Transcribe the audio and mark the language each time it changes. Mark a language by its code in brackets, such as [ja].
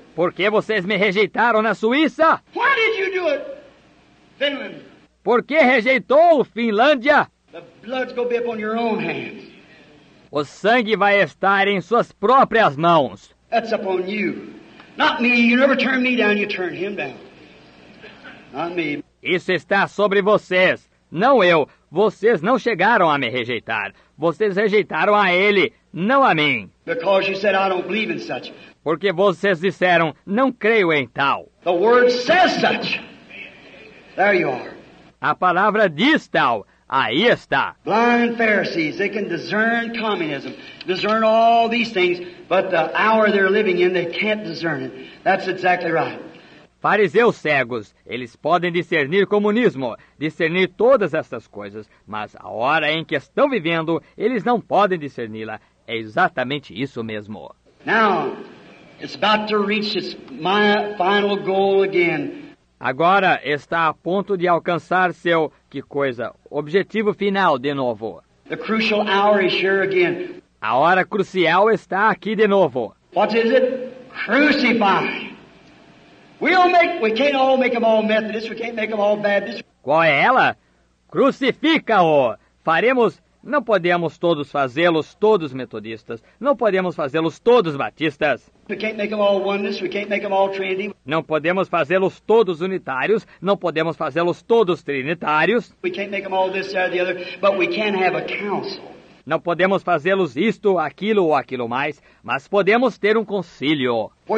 [pt] Por que vocês me rejeitaram na Suíça? [en] Why did you do it? Finland. [pt] Por que rejeitou Finlândia? [en] The blood's gonna be up on your own hands. [pt] O sangue vai estar em suas próprias mãos. [en] That's upon you. Not me. You never turn me down, you turn him down. Not me. [pt] Isso está sobre vocês. Não eu. Vocês não chegaram a me rejeitar. Vocês rejeitaram a ele, não a mim. [en] Because you said, I don't believe in such. [pt] Porque vocês disseram, não creio em tal. [en] The word says such. There you are. [pt] A palavra diz tal. Aí está. [en] Blind Pharisees, they can discern communism, discern all these things, but the hour they're living in, they can't discern it. That's exactly right. [pt] Fariseus cegos, eles podem discernir comunismo, discernir todas essas coisas, mas a hora em que estão vivendo, eles não podem discerni-la. É exatamente isso mesmo. [en] Now, it's about to reach its final goal again. [pt] Agora está a ponto de alcançar seu, que coisa, objetivo final de novo. [en] The crucial hour is here again. [pt] A hora crucial está aqui de novo. [en] What is it? Crucify. We can't all make them all Methodists. We can't make them all Baptists. [pt] Qual é ela? Crucifica-o. Faremos. Não podemos todos fazê-los todos metodistas. Não podemos fazê-los todos batistas. [en] We can't make them all oneness. We can't make them all Trinity. [pt] Não podemos fazê-los todos unitários. Não podemos fazê-los todos trinitários. [en] We can't make them all this or the other, but we can have a council. [pt] Não podemos fazê-los isto, aquilo ou aquilo mais, mas podemos ter um concílio.